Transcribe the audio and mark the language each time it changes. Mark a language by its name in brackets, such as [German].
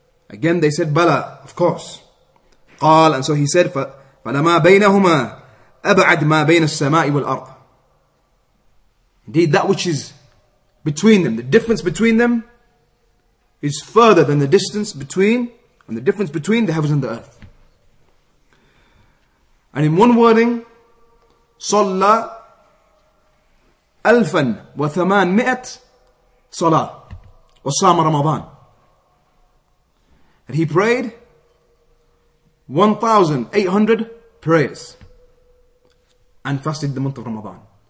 [English] Again, they said, Bala, of course. قال, and so he said, [Arabic] فَلَمَا بَيْنَهُمَا أَبْعَدْ مَا بَيْنَ السَّمَاءِ وَالْأَرْضِ. [English] Indeed, that which is between them, the difference between them, is further than the distance between, and the difference between the heavens and the earth. And in one wording, [Arabic] صلى ألفا وثمانمائة صلاة وصام رمضان. [English] And he prayed 1,800 prayers and fasted the month of Ramadan.